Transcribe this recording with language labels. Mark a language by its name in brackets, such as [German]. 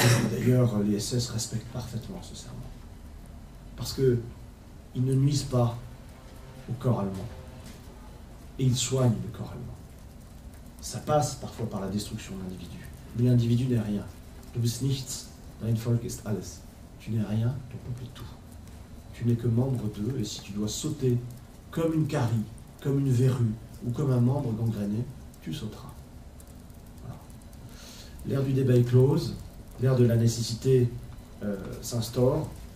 [French] D'ailleurs, les SS respectent parfaitement ce serment. Parce qu'ils ne nuisent pas au corps allemand. Et ils soignent le corps allemand. Ça passe parfois par la destruction de l'individu. Mais l'individu n'est rien. [German] Du bist nichts, dein Volk ist alles. [French] Tu n'es rien, ton peuple est tout. Tu n'es que membre d'eux, et si tu dois sauter comme une carie, comme une verrue, ou comme un membre gangréné, tu sauteras. Voilà. L'ère du débat est close, l'ère de la nécessité s'instaure.